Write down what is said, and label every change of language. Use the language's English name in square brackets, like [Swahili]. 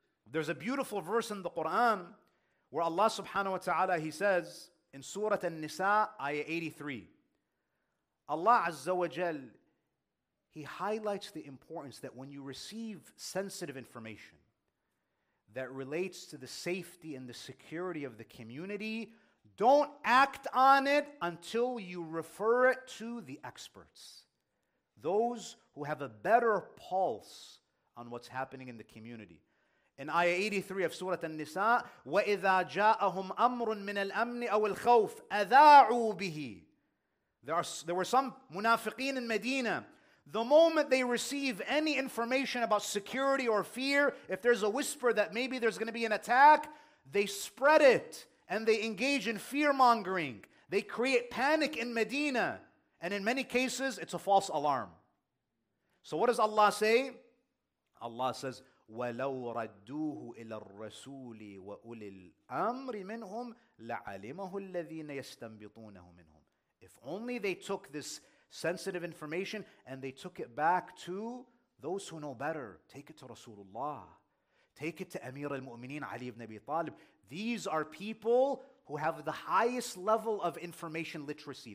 [English] There's a beautiful verse in the Quran where Allah subhanahu wa ta'ala, He says in Surah An-Nisa, ayah 83, Allah Azza wa Jal, He highlights the importance that when you receive sensitive information that relates to the safety and the security of the community, don't act on it until you refer it to the experts, those who have a better pulse on what's happening in the community. In ayah 83 of Surah An-Nisa, [Arabic] وَإِذَا جَاءَهُمْ أَمْرٌ مِنَ الْأَمْنِ أَوِ الْخَوْفِ أَذَاعُوا بِهِ. [English] There were some munafiqeen in Medina. The moment they receive any information about security or fear, if there's a whisper that maybe there's going to be an attack, they spread it and they engage in fear-mongering. They create panic in Medina. And in many cases, it's a false alarm. So what does Allah say? Allah says, [Arabic] وَلَوْ رَدُّوهُ إِلَى الرَّسُولِ وَأُولِي الْأَمْرِ مِنْهُمْ لَعَلِمَهُ الَّذِينَ يَسْتَنْبِطُونَهُ مِنْهُمْ. [English] If only they took this sensitive information and they took it back to those who know better. Take it to Rasulullah. Take it to Amir al-Mu'mineen Ali ibn Abi Talib. These are people who have the highest level of information literacy.